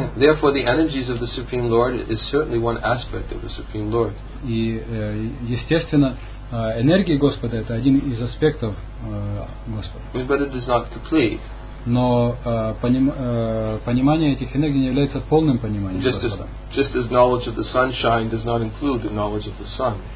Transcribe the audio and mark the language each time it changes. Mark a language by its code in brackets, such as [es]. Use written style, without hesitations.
[en] Therefore, the energies of the Supreme Lord is certainly one aspect of the Supreme Lord. [ru] И естественно, энергии Господа это один из аспектов Господа. [en] But it is not complete. [ru] Но понимание этих энергий не является полным пониманием. [en] Just as knowledge of the sunshine does not include the knowledge of the sun.